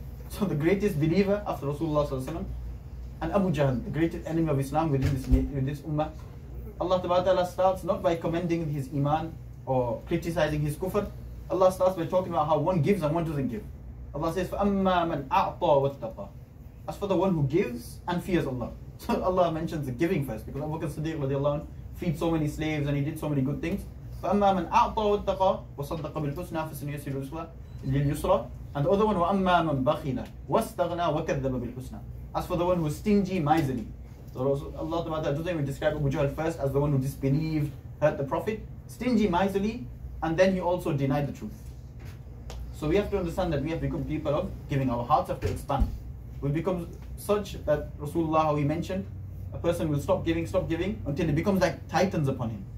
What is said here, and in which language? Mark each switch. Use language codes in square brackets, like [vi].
[en] So the greatest believer after Rasulullah and Abu Jahl, the greatest enemy of Islam within this ummah. Allah Ta'ala starts not by commending his iman or criticizing his kufr. Allah starts by talking about how one gives and one doesn't give. Allah says, [ar] فَأَمَّا مَنْ أَعْطَى وَاتَّقَى. [en] As for the one who gives and fears Allah. So Allah mentions the giving first, because Abu Bakr Siddiq radiallahu anhu feed so many slaves and he did so many good things. [ar] فَأَمَّا مَنْ أَعْطَى وَاتَّقَى وَصَدَّقَ بِالْحُسْنَى فَسَنُ يَسِرُ لِلْيُسْرَى. [en] And the other one, [ar] وَأَمَّا مَنْ بَخِلَ وَاسْتَغْنَى وَكَذَّبَ بِالْحُسْنَى. [en] As for the one who is stingy, miserly. So Allah doesn't even describe Abu Jahl first as the one who disbelieved, hurt the Prophet. Stingy, miserly, and then he also denied the truth. So we have to understand that we have become people of giving. Our hearts have to expand. We become such that Rasulullah, how he mentioned, a person will stop giving, until it becomes like titans upon him.